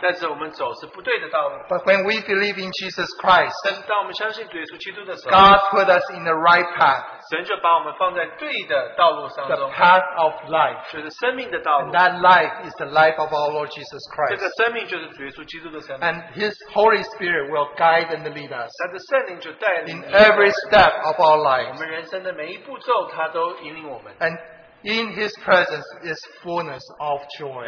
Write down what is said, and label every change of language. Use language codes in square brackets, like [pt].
[en] But when we believe in Jesus Christ, God put us in the right path. [zh] 神就把我们放在对的道路上中, [en] the path of life. [zh] 就是生命的道路, [en] and that life is the life of our Lord Jesus Christ. And His Holy Spirit will guide and lead us in every step of our lives. And in His presence is fullness of joy.